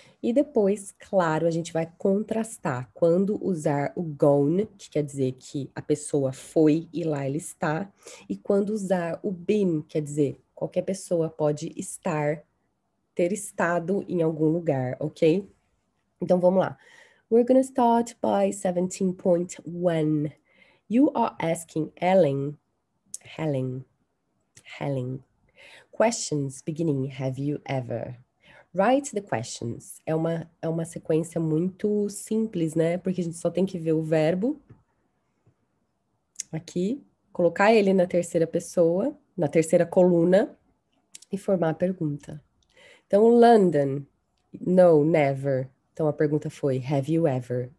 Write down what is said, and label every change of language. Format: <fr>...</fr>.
<pt>E depois, claro, a gente vai contrastar quando usar o gone, que quer dizer que a pessoa foi e lá ela está, e quando usar o been, quer dizer qualquer pessoa pode estar, ter estado em algum lugar, ok? Então vamos lá.</pt> <en>We're gonna start by 17.1. You are asking Helen, questions beginning have you ever? Write the questions.</en> <pt>É uma sequência muito simples, né? Porque a gente só tem que ver o verbo aqui, colocar ele na terceira pessoa, na terceira coluna e formar a pergunta. Então, London.</pt> <en>No, never.</en> <pt>Então a pergunta foi,</pt> <en>have you ever?</en>